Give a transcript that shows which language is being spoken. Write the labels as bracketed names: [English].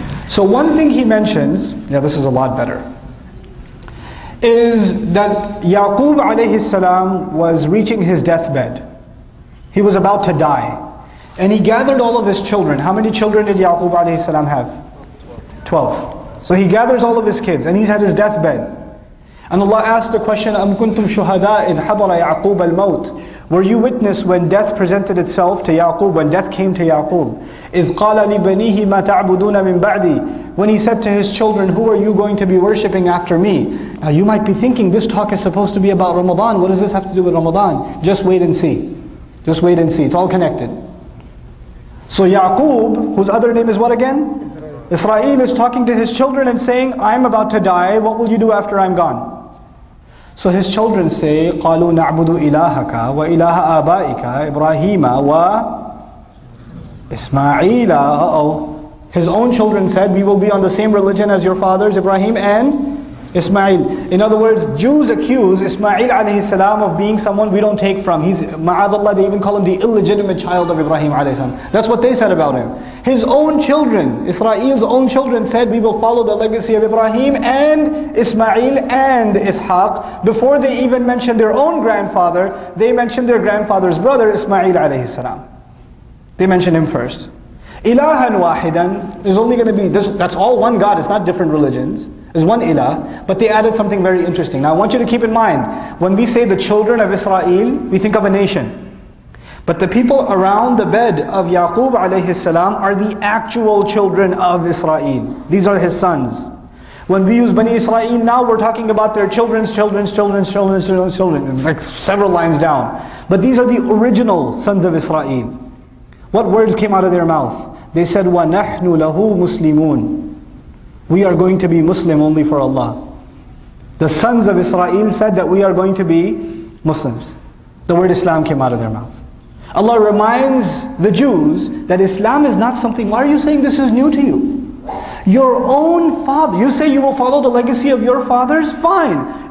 [English] So one thing He mentions, yeah this is a lot better, is that Ya'qub alayhi salam was reaching his deathbed. He was about to die. And he gathered all of his children. How many children did Ya'qub alayhi salam have? 12. So he gathers all of his kids and he's at his deathbed. And Allah asked the question, [Arabic] أَمْ كُنْتُمْ شُهَدَاءِ إِذْ حَضَرَ يَعْقُوبَ الْمَوْتِ. [English] Were you witness when death presented itself to Ya'qub, when death came to Ya'qub? [Arabic] إِذْ قَالَ لِبَنِيهِ مَا تَعْبُدُونَ مِنْ بَعْدِي. [English] When he said to his children, who are you going to be worshipping after me? Now you might be thinking, this talk is supposed to be about Ramadan. What does this have to do with Ramadan? Just wait and see. Just wait and see. It's all connected. So Ya'qub, whose other name is what again? Israel is talking to his children and saying, I'm about to die, what will you do after I'm gone? So his children say, [Arabic] قَالُوا نَعْبُدُ إِلَهَكَ وَإِلَهَ آبَائِكَ إِبْرَاهِيمَ وَإِسْمَعِيلَ. [English] Uh-oh. His own children said, we will be on the same religion as your fathers, Ibrahim and Ismail. In other words, Jews accuse Ismail alayhi salam of being someone we don't take from. He's, ma'adallah, they even call him the illegitimate child of Ibrahim alayhi salam. That's what they said about him. His own children, Israel's own children said, we will follow the legacy of Ibrahim and Ismail and Ishaq. Before they even mentioned their own grandfather, they mentioned their grandfather's brother, Ismail alayhi salam. They mentioned him first. Ilahan wahidan is only going to be, this, that's all one God, it's not different religions. Is one ilah, but they added something very interesting. Now I want you to keep in mind, when we say the children of Israel, we think of a nation. But the people around the bed of Ya'qub alayhi salam are the actual children of Israel. These are his sons. When we use Bani Israel, now we're talking about their children's children's children's children's children's children. It's like several lines down. But these are the original sons of Israel. What words came out of their mouth? They said, [Arabic] وَنَحْنُ لَهُ مُسْلِمُونَ. [English] We are going to be Muslim only for Allah. The sons of Israel said that we are going to be Muslims. The word Islam came out of their mouth. Allah reminds the Jews that Islam is not something, why are you saying this is new to you? Your own father, you say you will follow the legacy of your fathers? Fine.